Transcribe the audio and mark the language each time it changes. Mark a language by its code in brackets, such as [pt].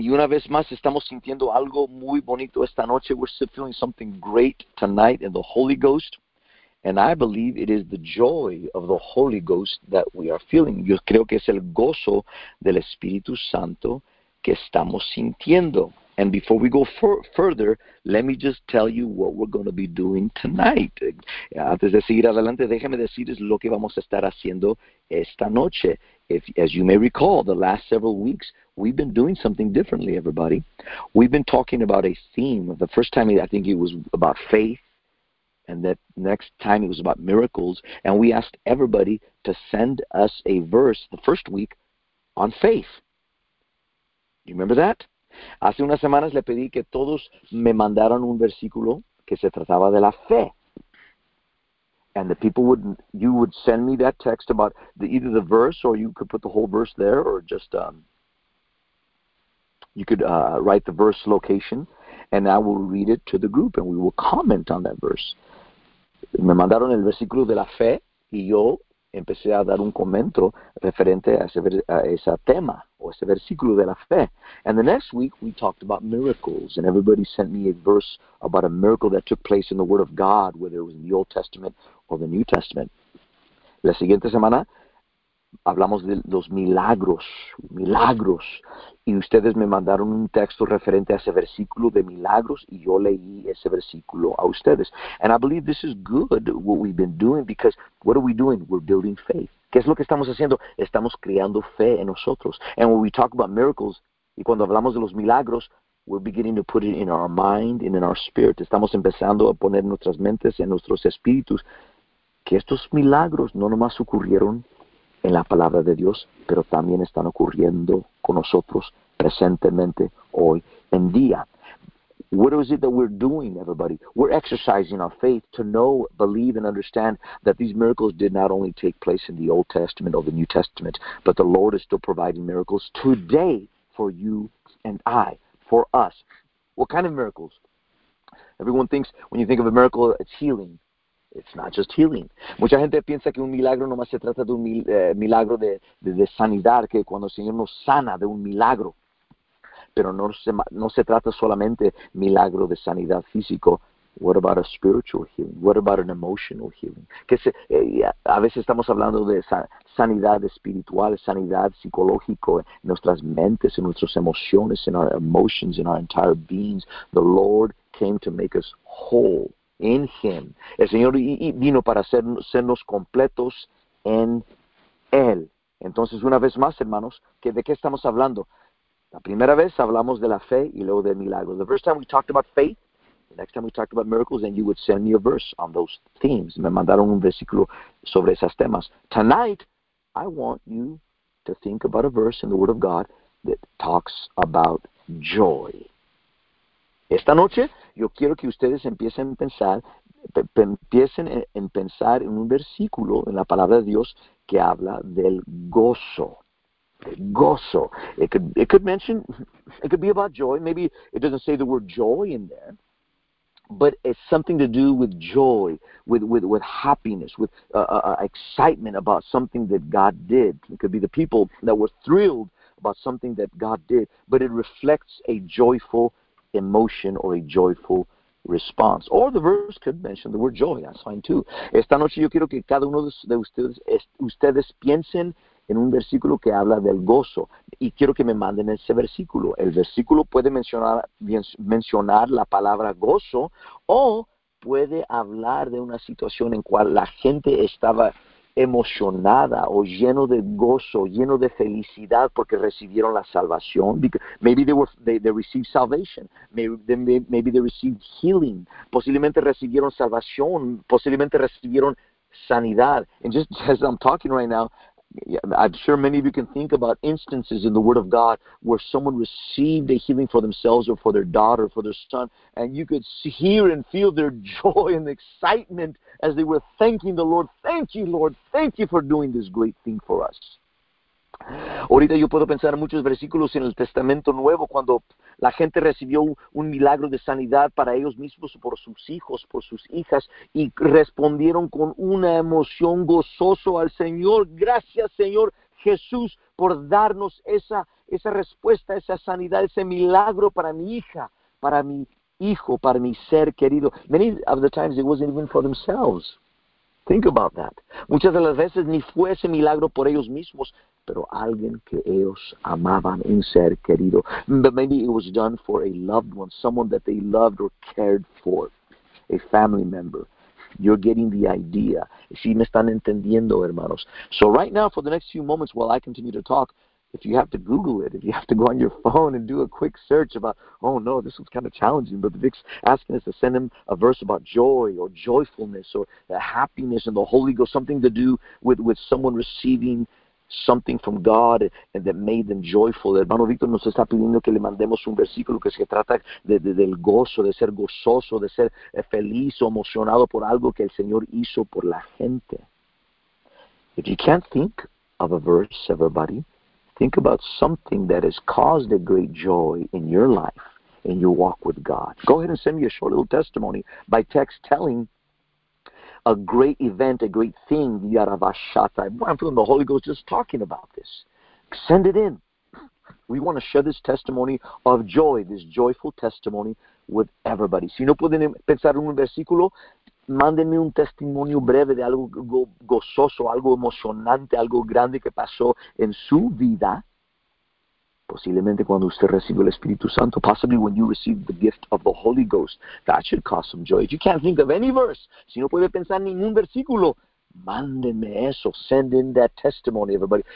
[es] Y una vez más estamos sintiendo algo muy bonito esta noche. [en] We're still feeling something great tonight in the Holy Ghost. And I believe it is the joy of the Holy Ghost that we are feeling. [es] Yo creo que es el gozo del Espíritu Santo que estamos sintiendo. [en] And before we go further, let me just tell you what we're going to be doing tonight. [es] Antes de seguir adelante, déjame decirles lo que vamos a estar haciendo esta noche. [en] As you may recall, the last several weeks, we've been doing something differently, everybody. We've been talking about a theme. The first time, I think it was about faith. And the next time, it was about miracles. And we asked everybody to send us a verse the first week on faith. You remember that? [es] Hace unas semanas le pedí que todos me mandaran un versículo que se trataba de la fe. [en] And the people would, you would send me that text about the, either the verse, or you could put the whole verse there, or just, you could write the verse location, and I will read it to the group, and we will comment on that verse. [es] Me mandaron el versículo de la fe, y yo empecé a dar un comento referente a ese tema, o ese versículo de la fe. [en] And the next week, we talked about miracles, and everybody sent me a verse about a miracle that took place in the Word of God, whether it was in the Old Testament or the New Testament. [es] La siguiente semana, hablamos de los milagros, milagros. Y ustedes me mandaron un texto referente a ese versículo de milagros, y yo leí ese versículo a ustedes. [en] And I believe this is good, what we've been doing, because what are we doing? We're building faith. [es] ¿Qué es lo que estamos haciendo? Estamos creando fe en nosotros. [en] And when we talk about miracles, [es] y cuando hablamos de los milagros, [en] we're beginning to put it in our mind and in our spirit. [es] Estamos empezando a poner en nuestras mentes, en nuestros espíritus, que estos milagros no nomás ocurrieron en la palabra de Dios, pero también están ocurriendo con nosotros presentemente hoy en día. [en] What is it that we're doing, everybody? We're exercising our faith to know, believe, and understand that these miracles did not only take place in the Old Testament or the New Testament, but the Lord is still providing miracles today for you and I, for us. What kind of miracles? Everyone thinks, when you think of a miracle, it's healing. It's not just healing. [es] Mucha gente piensa que un milagro nomás se trata de un milagro de sanidad, que cuando el Señor nos sana de un milagro. Pero no se trata solamente milagro de sanidad físico. [en] What about a spiritual healing? What about an emotional healing? [es] A veces estamos hablando de sanidad espiritual, sanidad psicológica, en nuestras mentes, en nuestras emociones, [en] in our emotions, in our entire beings. The Lord came to make us whole. In Him. [es] El Señor vino para sernos completos en Él. Entonces, una vez más, hermanos, ¿de qué estamos hablando? La primera vez hablamos de la fe y luego de milagros. [en] The first time we talked about faith, the next time we talked about miracles, and you would send me a verse on those themes. [es] Me mandaron un versículo sobre esos temas. [en] Tonight, I want you to think about a verse in the Word of God that talks about joy. [es] Esta noche, yo quiero que ustedes empiecen a pensar en un versículo en la palabra de Dios que habla del gozo. [en] Gozo. It could be about joy. Maybe it doesn't say the word joy in there, but it's something to do with joy, with happiness, with excitement about something that God did. It could be the people that were thrilled about something that God did, but it reflects a joyful emotion or a joyful response. Or the verse could mention the word joy. That's fine too. [es] Esta noche yo quiero que cada uno de ustedes piensen en un versículo que habla del gozo. Y quiero que me manden ese versículo. El versículo puede mencionar la palabra gozo, o puede hablar de una situación en cual la gente estaba emocionada o lleno de gozo, lleno de felicidad porque recibieron la salvación. [en] Maybe they received salvation. Maybe they received healing. [es] Posiblemente recibieron salvación. Posiblemente recibieron sanidad. [en] And just as I'm talking right now, I'm sure many of you can think about instances in the Word of God where someone received a healing for themselves or for their daughter, for their son, and you could hear and feel their joy and excitement as they were thanking the Lord. Thank you, Lord. Thank you for doing this great thing for us. [es] Ahorita yo puedo pensar en muchos versículos en el Testamento Nuevo cuando la gente recibió un milagro de sanidad para ellos mismos, por sus hijos, por sus hijas, y respondieron con una emoción gozoso al Señor. Gracias, Señor Jesús, por darnos esa esa respuesta, esa sanidad, ese milagro para mi hija, para mi hijo, para mi ser querido. [en] Many of the times it wasn't even for themselves. Think about that. [es] Muchas de las veces ni fue ese milagro por ellos mismos, pero alguien que ellos amaban, un ser querido. [en] But maybe it was done for a loved one, someone that they loved or cared for, a family member. You're getting the idea. [es] Si me están entendiendo, hermanos. [en] So right now, for the next few moments, while I continue to talk, if you have to Google it, if you have to go on your phone and do a quick search about, oh no, this was kind of challenging, but Vic's asking us to send him a verse about joy or joyfulness or the happiness and the Holy Ghost, something to do with someone receiving something from God and that made them joyful. [es] El hermano Víctor nos está pidiendo que le mandemos un versículo que se trata del gozo, de ser gozoso, de ser feliz o emocionado por algo que el Señor hizo por la gente. [en] If you can't think of a verse, everybody, think about something that has caused a great joy in your life, in your walk with God. Go ahead and send me a short little testimony by text telling a great event, a great thing, Yaravashatai. Boy, I'm feeling the Holy Ghost just talking about this. Send it in. We want to share this testimony of joy, this joyful testimony with everybody. [es] Si no pueden pensar en un versículo, mándenme un testimonio breve de algo gozoso, algo emocionante, algo grande que pasó en su vida. Posiblemente cuando usted recibió el Espíritu Santo, [en] possibly when you received the gift of the Holy Ghost, that should cause some joy. If you can't think of any verse, [es] si no puede pensar en ningún versículo, mándenme eso, [en] send in that testimony, everybody.